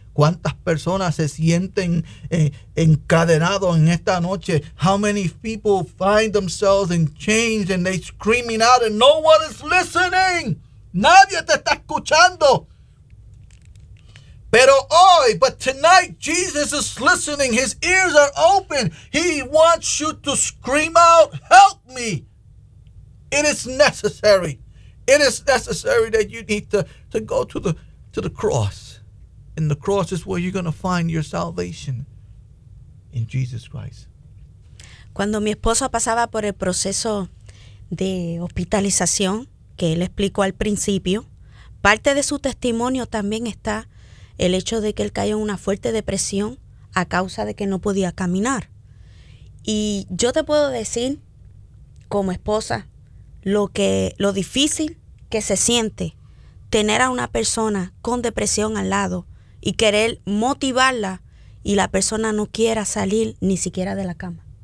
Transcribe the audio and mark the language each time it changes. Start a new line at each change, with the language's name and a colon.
Spanish: ¿Cuántas personas se sienten encadenados en esta noche?
English: How many people find themselves in chains and they screaming out and no one is listening?
Spanish: Nadie te está escuchando.
English: But tonight Jesus is listening. His ears are open. He wants you to scream out, help me. It is necessary. It is necessary that you need to go to the cross. And the cross is where you're going to find your salvation in Jesus Christ.
Spanish: Cuando mi esposo pasaba por el proceso de hospitalización, que él explicó al principio, parte de su testimonio también está el hecho de que él cayó en una fuerte depresión a causa de que no podía caminar. Y yo te puedo decir, como esposa, lo difícil que se siente tener a una persona con depresión al lado y querer motivarla y la persona no quiera salir ni siquiera de la cama.